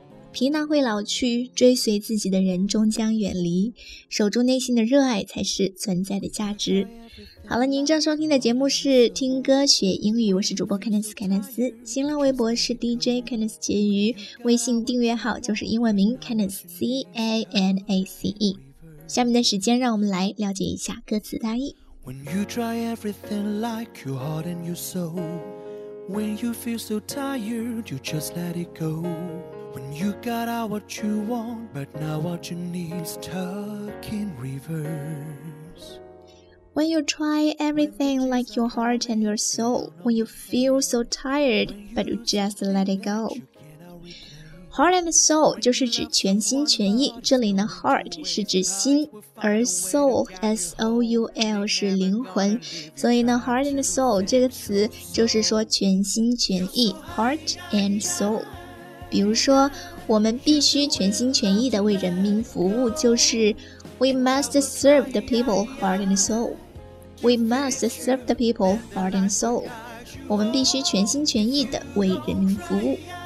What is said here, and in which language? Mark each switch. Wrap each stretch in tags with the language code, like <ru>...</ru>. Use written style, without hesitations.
<zh>皮囊会老去，追随自己的人终将远离，守住内心的热爱才是存在的价值。好了，您正收听的节目是听歌学英语，我是主播 Candice 凯纳斯，新浪微博是 DJ Candice 婕妤，微信订阅号就是英文名 Candice C-A-N-A-C-E。下面的时间让我们来了解一下歌词大意。</zh> <en>When you try everything like your heart and your soul When you feel so tired you just let it goWhen you got all what you want, but now what you need is stuck in reverse. When you try everything like your heart and your soul, when you feel so tired, but you just let it go.</en> <zh>Heart and soul 就是指全心全意，这里呢 heart 是指心，而 soul, S-O-U-L 是灵魂，所以呢 heart and soul 这个词就是说全心全意 ,heart and soul。比如说我们必须全心全意地为人民服务，就是</zh> <en>We must serve the people heart and soul. We must serve the people heart and soul.</en> <zh>我们必须全心全意地为人民服务。</zh>